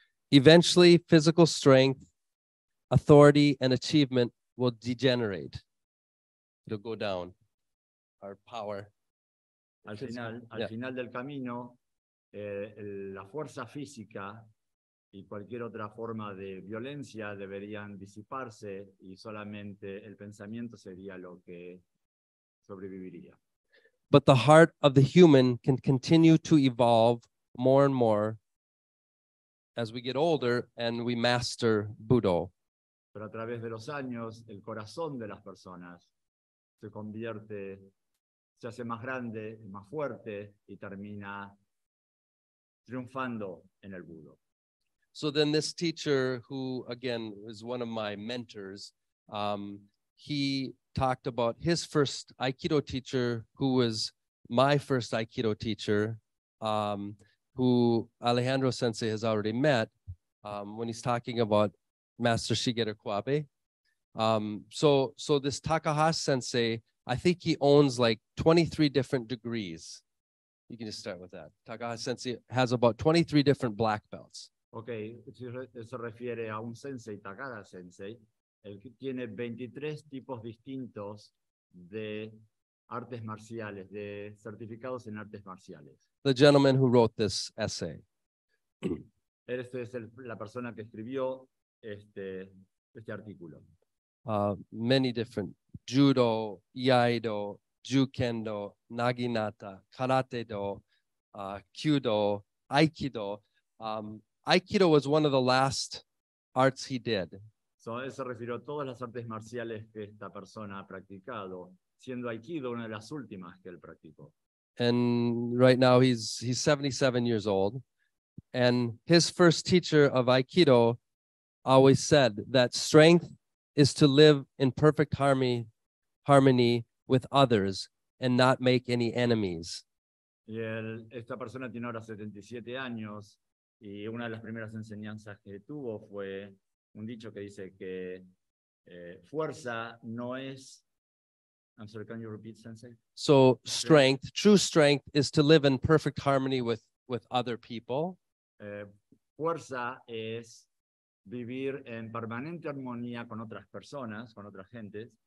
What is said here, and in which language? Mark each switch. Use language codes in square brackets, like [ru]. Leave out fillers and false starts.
[en] Eventually, physical strength, authority, and achievement will degenerate. It'll go down. Our power. [es] Al final del camino, la fuerza física y cualquier otra forma de violencia deberían disiparse y solamente el pensamiento sería lo que sobreviviría. [en] But the heart of the human can continue to evolve more and more as we get older and we master Budo. [es] Pero a través de los años, el corazón de las personas se convierte, se hace más grande, más fuerte y termina triunfando en el Budo. [en] So then this teacher, who again is one of my mentors, he talked about his first Aikido teacher, who was my first Aikido teacher, who Alejandro Sensei has already met, when he's talking about Master Shigeru Kawabe. So this Takahashi Sensei, I think he owns like 23 different degrees. You can just start with that. Takahashi Sensei has about 23 different black belts. [es] Okay, se refiere a un sensei, Takada sensei, el que tiene 23 tipos distintos de artes marciales, de certificados en artes marciales. [en] The gentleman who wrote this essay. [es] Este es la persona que escribió este artículo. [en] Many different judo, iaido, jukendo, naginata, karate do, kyudo, aikido. Aikido was one of the last arts he did. [es] So, él se refirió a todas las artes marciales que esta persona ha practicado, siendo Aikido una de las últimas que él practicó. [en] And right now he's 77 years old. And his first teacher of Aikido, always said that strength is to live in perfect harmony with others and not make any enemies. [es] Y él, esta persona tiene ahora 77 años y una de las primeras enseñanzas que tuvo fue un dicho que dice que fuerza no es... [en] I'm sorry, can you repeat, Sensei? So strength, true strength is to live in perfect harmony with other people. [es] Fuerza es vivir en permanente armonía con otras personas, con otras gentes.